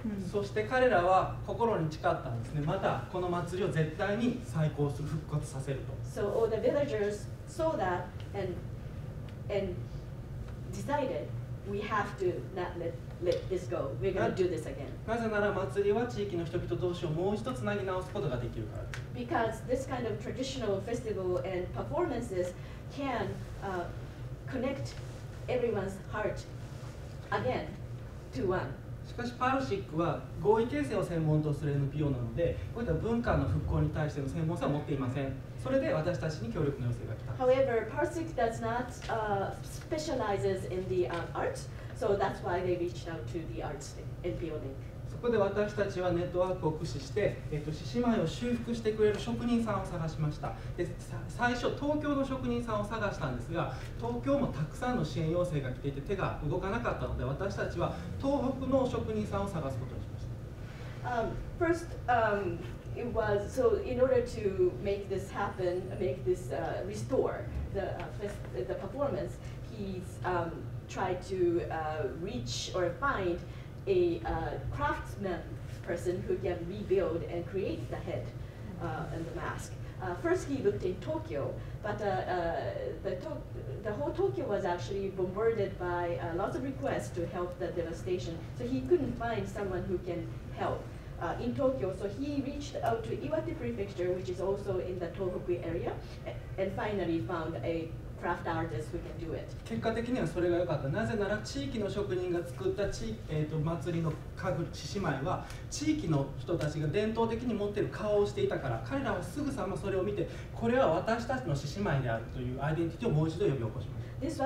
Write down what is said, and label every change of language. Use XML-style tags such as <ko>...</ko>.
<ja>そして彼らは心に誓ったんですね。またこの祭りを絶対に再興する、復活させると。</ja> <en>So all the villagers saw that and, decided. We have to not let this go. We're going to do this again.</en> <ja>なぜなら祭りは地域の人々同士をもう一つつなぎ直すことができるから。</ja> <en>Because this kind of traditional festival and performances can, connect everyone's heart again to one.</en> <ja>しかしパルシックは合意形成を専門とする NPO なので、こういった文化の復興に対しての専門性は持っていません。それで私たちに協力の要請が来た。</ja> <en>However, Parsik does not, specializes in the, arts, so that's why they reached out to the arts NPO Link.</en> <ja>そこで私たちはネットワークを駆使して、獅子舞を修復してくれる職人さんを探しました。で、最初東京の職人さんを探したんですが、東京もたくさんの支援要請が来ていて手が動かなかったので、私たちは東北の職人さんを探すことにしました。</ja> <en>First, It was so in order to make this happen, make this, restore the, the performance, he's, tried to, reach or find a, craftsman person who can rebuild and create the head, and the mask. First, he looked in Tokyo, but the whole Tokyo was actually bombarded by, lots of requests to help the devastation, so he couldn't find someone who can help. In Tokyo, so he reached out to Iwate Prefecture, which is also in the Tohoku area, and finally found a craft artist who can do it.</en> <ja>結果的にはそれが良かった。なぜなら地域の職人が作った祭りの家具、獅子舞は地域の人たちが伝統的に持っている顔をしていたから、彼らはすぐさまそれを見て、これは私たちの獅子舞であるというアイデンティティをもう一度呼び起こしました。</ja>